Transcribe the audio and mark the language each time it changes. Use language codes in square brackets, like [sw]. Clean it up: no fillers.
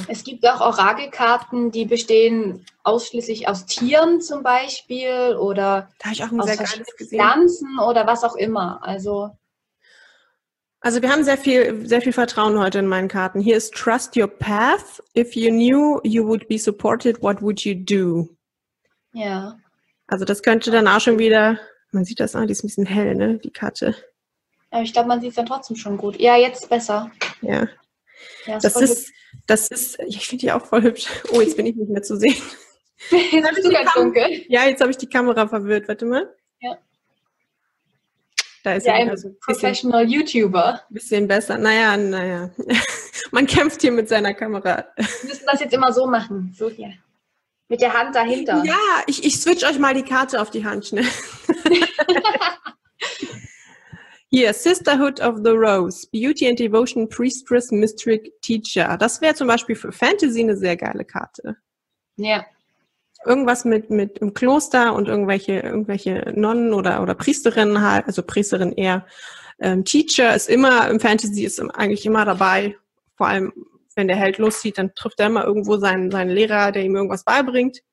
[de] Es gibt auch Orakelkarten, die bestehen ausschließlich aus Tieren zum Beispiel oder da hab ich auch ein sehr geiles gesehen. Pflanzen oder was auch immer. Also wir haben sehr viel Vertrauen heute in meinen Karten. Hier ist [en] Trust your path. If you knew you would be supported, what would you do? [de] Ja. Yeah. Also das könnte dann auch schon wieder, man sieht das auch, die ist ein bisschen hell, ne, die Karte. Aber ich glaube, man sieht es dann trotzdem schon gut. Ja, jetzt besser. Ja. Das ist, ich finde die auch voll hübsch. Oh, jetzt bin ich nicht mehr zu sehen. Jetzt ist sogar dunkel. Ja, jetzt habe ich die Kamera verwirrt. Warte mal. Ja. Da ist ja, ein Professional YouTuber. Bisschen besser. Naja. Man kämpft hier mit seiner Kamera. Wir müssen das jetzt immer so machen. So hier. Mit der Hand dahinter. Ja, ich switch euch mal die Karte auf die Hand schnell. Hier, Sisterhood of the Rose, Beauty and Devotion, Priestess, Mystic Teacher. Das wäre zum Beispiel für Fantasy eine sehr geile Karte. Ja. Irgendwas mit im Kloster und irgendwelche Nonnen oder Priesterinnen halt, also Priesterin eher. Teacher ist immer, im Fantasy ist eigentlich immer dabei. Vor allem, wenn der Held loszieht, dann trifft er immer irgendwo seinen Lehrer, der ihm irgendwas beibringt.